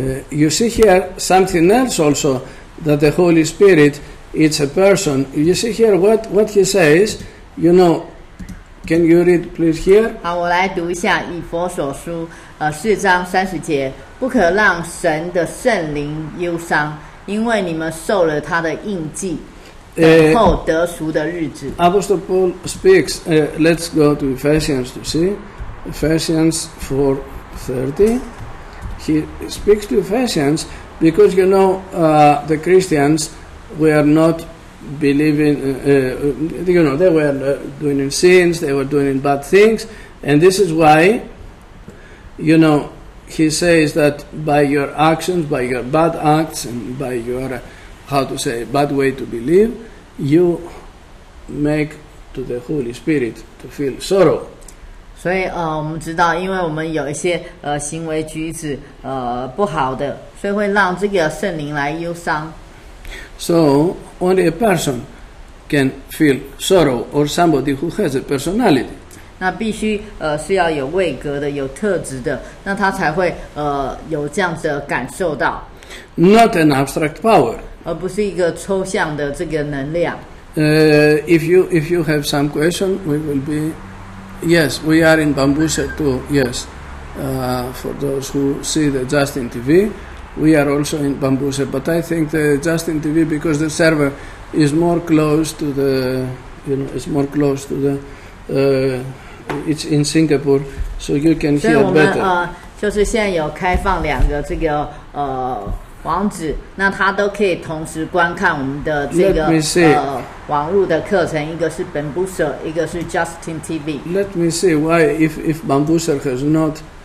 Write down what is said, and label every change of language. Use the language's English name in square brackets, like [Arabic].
[English] You see here something else also, that the Holy Spirit is a person. You see here what he says, you know, can you read please here? [Chinese] 好，我来读一下以弗所书四章三十节，不可让神的圣灵忧伤，因为你们受了他的印记，等候得赎的日子。 [English] Apostle Paul speaks, let's go to Ephesians to see. Ephesians 4:30. He speaks to Ephesians because, you know, the Christians were not believing, you know, they were doing in sins, they were doing in bad things. And this is why, you know, he says that by your actions, by your bad acts, and by your, bad way to believe, you make to the Holy Spirit to feel sorrow. [Chinese] 所以我们知道，因为我们有一些行为举止不好的，所以会让这个圣灵来忧伤。 [English] So only a person can feel sorrow, or somebody who has a personality. [Chinese] 那必须是要有位格的、有特质的，那他才会有这样子的感受到。 [English] Not an abstract power. [Chinese] 而不是一个抽象的这个能量。 [English] If you have some question, we will be. Yes, we are in Bambusha too. Yes, for those who see the Justin TV. We are also in Bambusha, but I think the Justin TV, because the server is more close to the, you know, it's more close to the, it's in Singapore, so you can hear better. [Chinese] 所以我们就是现在有开放两个这个网址，那他都可以同时观看我们的这个网络的课程，一个是 Bambusha, 一个是 Justin TV. [English] Let me see why if Bambusha has not.